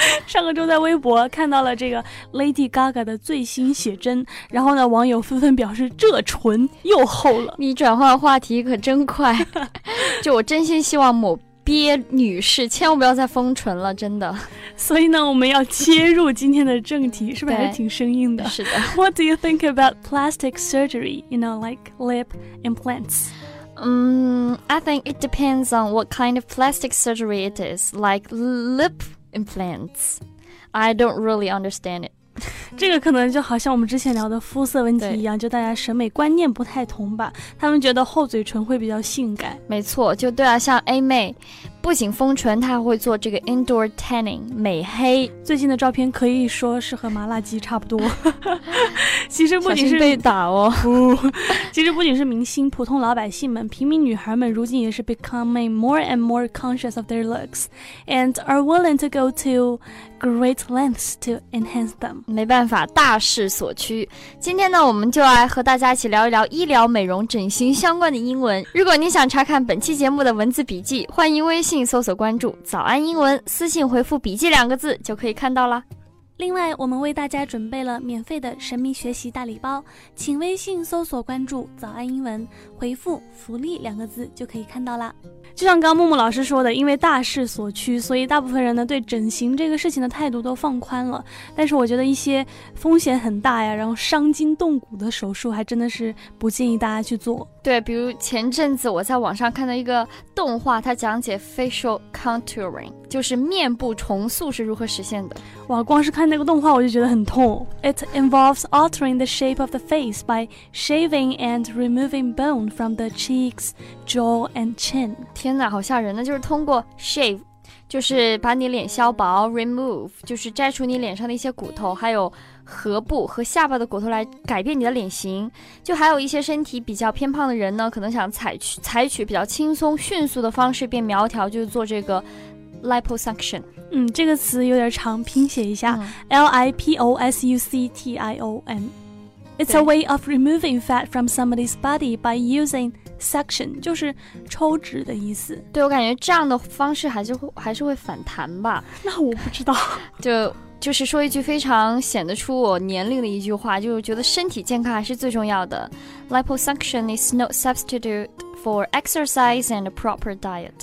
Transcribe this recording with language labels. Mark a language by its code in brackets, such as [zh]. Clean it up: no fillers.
[zh] 上个周在微博看到了这个 Lady Gaga 的最新写真，然后呢网友纷纷表示这唇又厚了。你转换话题可真快。就我真心希望某鳖女士千万不要再封唇了，真的。所以呢我们要切入今天的正题。是不是还是挺生硬的？是的。 [en] What do you think about plastic surgery? You know, like lip implants? I think it depends on what kind of plastic surgery it is. Like lip implants, I don't really understand it. [zh] 这个可能就好像我们之前聊的肤色问题一样，就大家审美观念不太同吧，他们觉得厚嘴唇会比较性感。没错，就对啊，像 A 妹不仅封唇，她还会做这个 indoor tanning 美黑，最近的照片可以说是和麻辣鸡差不多。其实不仅是被打哦，其实不仅是明星，普通老百姓们，平民女孩们如今也是 [en] becoming more and more conscious of their looks and are willing to go to great lengths to enhance them. [zh] 没办法，大势所趋。今天呢我们就来和大家一起聊一聊医疗美容整形相关的英文。如果你想查看本期节目的文字笔记，欢迎微信搜索关注早安英文，私信回复笔记两个字就可以看到了。另外我们为大家准备了免费的神秘学习大礼包，请微信搜索关注早安英文，回复福利两个字就可以看到了。就像刚木木老师说的，因为大势所趋，所以大部分人呢对整形这个事情的态度都放宽了，但是我觉得一些风险很大呀，然后伤筋动骨的手术还真的是不建议大家去做。对，比如前阵子我在网上看到一个动画，它讲解 facial contouring， 就是面部重塑是如何实现的。哇，光是看那个动画我就觉得很痛。 [en] It involves altering the shape of the face by shaving and removing bone from the cheeks, jaw and chin. [zh] 天哪，好吓人呢。就是通过 shave， 就是把你脸削薄， remove， 就是摘除你脸上的一些骨头，还有颌部和下巴的骨头来改变你的脸型。就还有一些身体比较偏胖的人呢，可能想采取比较轻松迅速的方式变苗条，就是做这个 liposuction。嗯，这个词有点长，拼写一下、liposuction。 [en] It's a way of removing fat from somebody's body by using suction， [zh] 就是抽脂的意思。对，我感觉这样的方式还是会反弹吧。那我不知道。就是说一句非常显得出我年龄的一句话，就是觉得身体健康还是最重要的。 [en] Liposuction is no substitute for exercise and a proper diet。